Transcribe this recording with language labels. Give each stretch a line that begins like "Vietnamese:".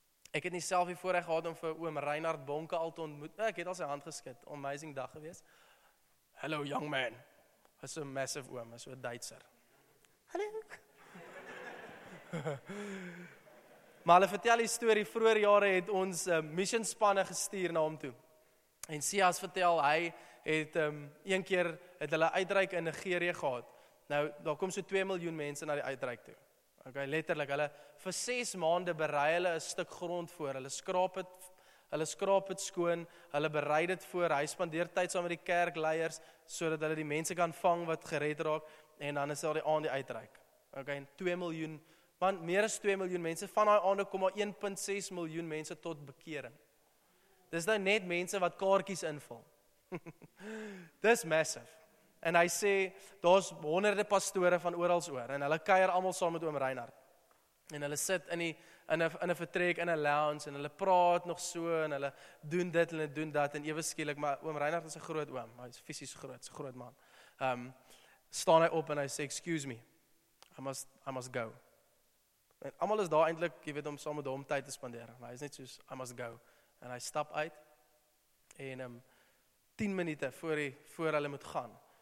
Afrikaans: Ek het nie self die voorreg gehad om vir oom Reinhard Bonke al te ontmoet. Ek het al sy hand geskud. Amazing dag gewees.
English: Hello young man.
Afrikaans: Hy's so massive oom, so 'n Duitser. Hallo. Maar hulle vertel die storie, vroeër jare het ons missionspanne gestuur na hom toe. En Sias vertel, hy het een keer het hulle uitreik in Nigerië gehad. Nou, daar kom so 2 miljoen mense na die uitreik toe. Okay, letterlik, hulle vir 6 maande berei hulle 'n stuk grond voor. Hulle skraap het skoon, hulle berei dit voor, hy spandeer tyd saam met die kerkleiers, sodat hulle die mense kan vang wat gered raak, en dan is daar die aand die uitreik. Okay, 2 miljoen want meer as 2 miljoen mense, van daai aande kom maar 1.6 miljoen mense tot bekering. Dis nou net mense wat kaartjies invul. Dis massive. En hy sê, daar's honderde pastore van oral oor, en hulle kuier almal saam met oom Reinhard. En hulle sit in 'n vertrek, in 'n lounge, en hulle praat nog so, en hulle doen dit, en hulle doen dat, en ewe skielik, maar oom Reinhard is 'n groot oom, hy is fisies groot, 'n groot man. Staan hy op en hy sê,
English: excuse me, I must go.
Afrikaans: En almal is daar eintlik, jy weet, om saam met hom tyd te spandeer. Maar hy is net soos,
English: I must go.
Afrikaans: En hy stap uit, en 10 minute voor hulle moet gaan.